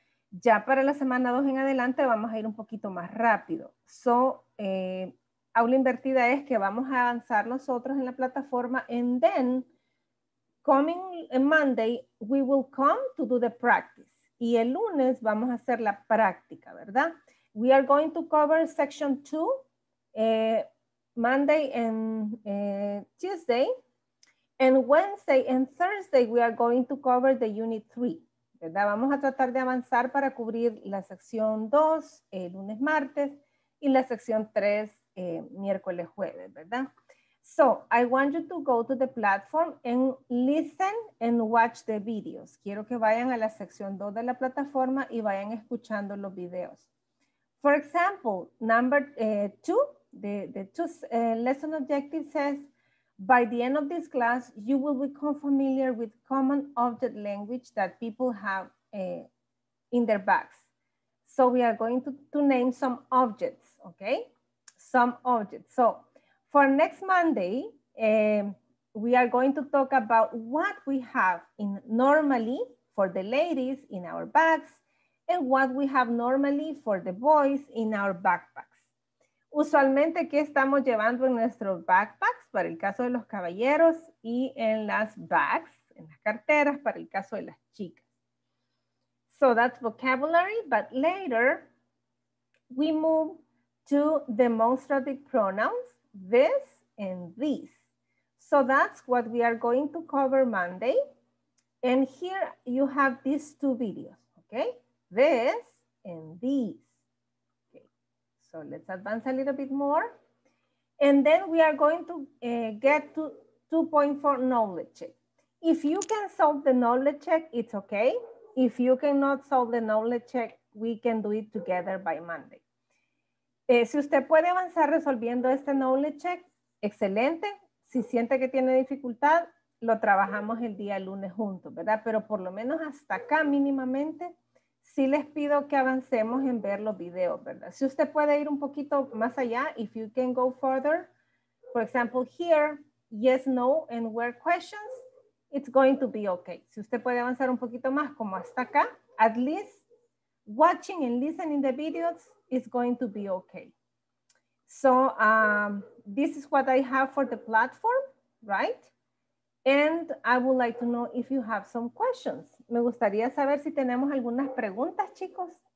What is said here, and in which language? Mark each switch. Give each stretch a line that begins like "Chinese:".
Spanish: Ya para la semana 2 en adelante vamos a ir un poquito más rápido.
English: So,
Spanish: aula invertida es que vamos a avanzar nosotros en la plataforma,
English: and then coming Monday, we will come to do the practice.
Spanish: Y el lunes vamos a hacer la práctica, ¿verdad?
English: We are going to cover section 2 Monday and Tuesday. And Wednesday and Thursday, we are going to cover the unit 3, ¿verdad?
Spanish: Vamos a tratar de avanzar para cubrir la sección 2, lunes, martes, y la sección 3, miércoles, jueves, ¿verdad?
English: So, I want you to go to the platform and listen and watch the videos.
Spanish: Quiero que vayan a la sección 2 de la plataforma y vayan escuchando los videos.
English: For example, number 2, lesson objective says, by the end of this class, you will become familiar with common object language that people have in their bags. So, we are going to name some objects, okay? Some objects. So, for next Monday, we are going to talk about what we have in normally for the ladies in our bags and what we have normally for the boys in our backpacks.
Spanish: Usualmente, ¿qué estamos llevando en nuestros backpacks? Para el caso de los caballeros, y en las bags, en las carteras, para el caso de las chicas.
English: So that's vocabulary, but later we move to demonstrative pronouns. This and these. So that's what we are going to cover Monday. And here you have these two videos, okay? This and these. Okay. So let's advance a little bit more. And then we are going to get to 2.4 knowledge check. If you can solve the knowledge check, it's okay. If you cannot solve the knowledge check, we can do it together by Monday.
Spanish: Si usted puede avanzar resolviendo este knowledge check, excelente. Si siente que tiene dificultad, lo trabajamos el día lunes juntos, ¿verdad? Pero por lo menos hasta acá mínimamente, sí les pido que avancemos en ver los videos, ¿verdad? Si usted puede ir un poquito más allá,
English: if you can go further, for example, here, yes, no, and where questions, it's going to be okay.
Spanish: Si usted puede avanzar un poquito más, como hasta acá,
English: at least, watching and listening the videos is going to be okay. So this is what I have for the platform, right? And I would like to know if you have some questions.
Spanish: Me gustaría saber si tenemos algunas preguntas, chicos.